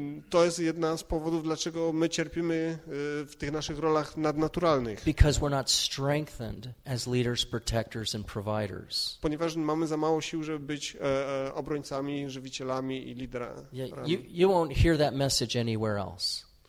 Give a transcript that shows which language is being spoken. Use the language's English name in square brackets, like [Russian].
[Polish] To jest jedna z powodów, dlaczego my cierpimy w tych naszych rolach nadnaturalnych. [English] Because we're not strengthened as leaders, protectors, and providers. [Polish] Ponieważ mamy za mało sił, żeby być obrońcami, żywicielami i liderami. [English] You won't hear that message anywhere else.